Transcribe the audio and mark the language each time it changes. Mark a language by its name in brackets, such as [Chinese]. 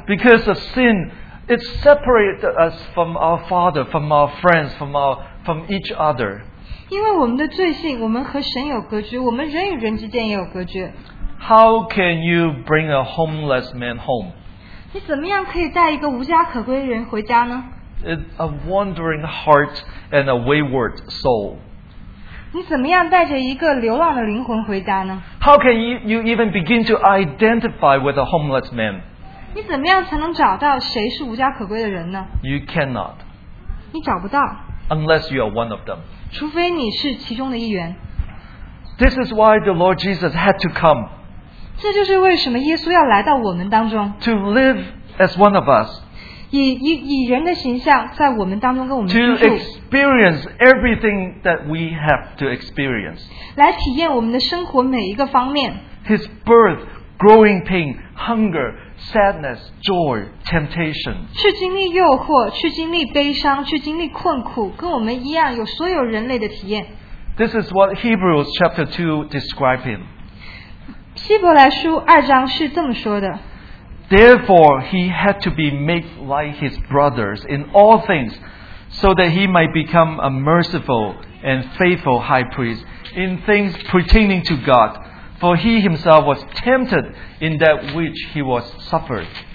[English] Because of sin, it separated us from our father, from our friends, from each other. [Chinese] 因为我们的罪性，我们和神有隔绝，我们人与人之间也有隔绝。 [English] How can you bring a homeless man home? [Chinese] 你怎么样可以带一个无家可归的人回家呢？ [English] It's a wandering heart and a wayward soul. [Chinese] 你怎么样带着一个流浪的灵魂回家呢？ [English] How can you even begin to identify with a homeless man? [Chinese] 你怎么样才能找到谁是无家可归的人呢？ [English] You cannot. [Chinese] 你找不到。 [English] Unless you are one of them. [Chinese] 除非你是其中的一员。 [English] This is why the Lord Jesus had to come. [Chinese] 这就是为什么耶稣要来到我们当中。 [English] To live as one of us. [Chinese] 以人的形象在我们当中跟我们居住。 [English] To experience everything that we have to experience. [Chinese] 来体验我们的生活每一个方面。 [English] His birth, growing pain, hunger, sadness, joy, temptation. [Chinese] 去经历诱惑，去经历悲伤，去经历困苦，跟我们一样有所有人类的体验。 [English] This is what Hebrews chapter 2 describes him. [Chinese] 希伯来书二章是这么说的。 [English] Therefore, he had to be made like his brothers in all things, so that he might become a merciful and faithful high priest in things pertaining to God. For he himself was tempted in that which he was suffered.